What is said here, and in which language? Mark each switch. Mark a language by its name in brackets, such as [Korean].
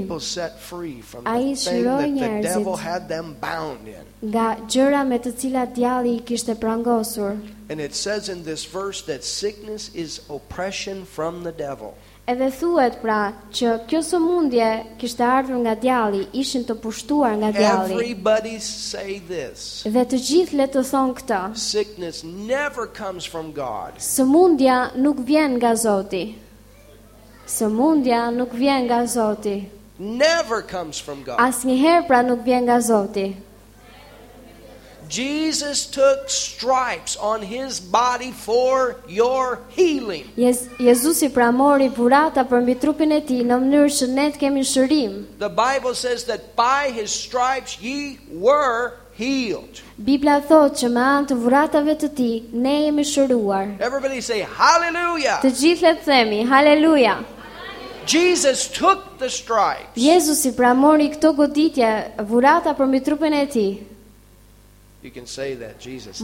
[English] People set free from the thing that the devil had them bound in. [Albanian] Nga gjëra me të cilat djalli i kishte prangosur. [English] And it says in this verse that sickness is oppression from the devil. [Albanian] Edhe thuhet pra që kjo sëmundje kishte ardhur nga djalli, ishin të pushtuar nga djalli. [English] Everybody say this. [Albanian] Dhe të gjithë le të thon këtë. [English] Sickness never comes from God. [Albanian] Sëmundja nuk vjen nga Zoti. Sëmundja nuk vjen nga Zoti. [English] Never comes from God. [Albanian] Asnjëherë pra nuk vjen nga Zoti. [English] Jesus took stripes on his body for your healing. [Albanian] Jezusi pra mori burata për mbi trupin e tij në mënyrë që ne të kemi shërim. [English] The Bible says that by his stripes ye were healed. [Albanian] Bibla thot që me anë të vuratave të tij ne jemi shëruar. [English] Everybody say hallelujah. [Albanian] Të gjithë le të themi hallelujah. [English] Jesus took the stripes. [Albanian] Jezusi pra mori këto goditje vurata për mbi trupin e tij. [English] You can say that Jesus.